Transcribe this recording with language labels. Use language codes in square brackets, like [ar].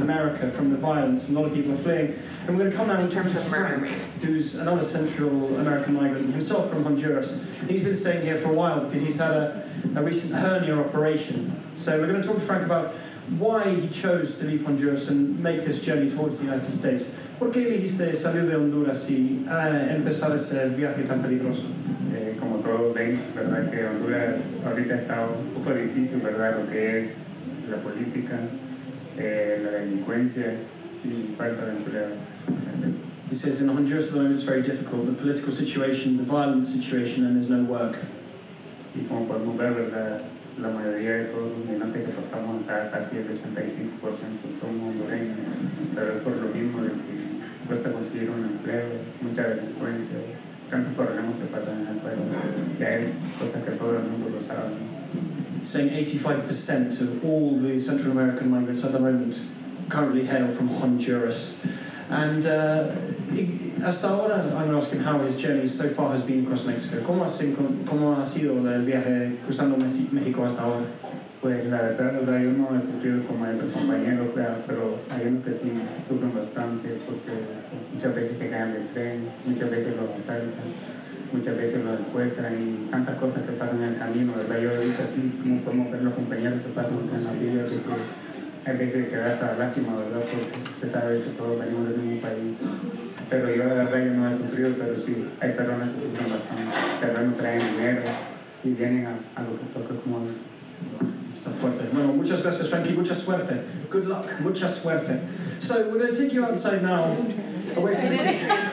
[en] America from the violence. A lot of people are fleeing. And we're going to come now and talk to Frank, who's another Central American migrant, himself from Honduras. And he's been staying here for a while because he's had a recent hernia operation. So we're going to talk to Frank about why he chose to leave Honduras and make this journey towards the United States. [es] ¿Por qué elegiste salir de Honduras y empezar ese viaje tan peligroso? Como todos ven, verdad que Honduras ahorita está un poco difícil, verdad, lo que es la política, la delincuencia y falta de empleo. [en] He says in Honduras at the moment it's very difficult, the political situation, the violent situation, and there's no work. [es] Y como podemos ver, verdad, la mayoría de todos los migrantes que pasamos acá, casi el 85% son hondureños, pero es por lo mismo de que cuesta conseguir un empleo, mucha delincuencia, tantos problemas que pasan en el país, ya es cosa que todo el mundo lo sabe. [en] Saying 85% of all the Central American migrants at the moment currently hail from Honduras. And [es] hasta ahora, [en] I'm going to ask him how his journey so far has been across Mexico. [es] ¿Cómo ha sido el viaje cruzando México hasta ahora? Pues la verdad, yo no he sufrido como otros compañeros, pero hay unos que sí sufren bastante porque muchas veces te caen del tren, muchas veces lo asaltan, muchas veces lo encuentran y tantas cosas que pasan en el camino, ¿verdad? Yo he visto cómo podemos ver los compañeros que pasan en los videos y que hay veces que da hasta lástima, ¿verdad? Porque se sabe que todos venimos del mismo país. Pero yo la verdad, yo no he sufrido, pero sí, hay personas que sufren bastante. Pero no traen dinero y vienen a lo que toca, como dicen. Está fuerte. Bueno, muchas gracias, Frankie. Mucha suerte. [en] Good luck. [es] Mucha suerte. [en] So, we're going to take you outside now, away from the kitchen.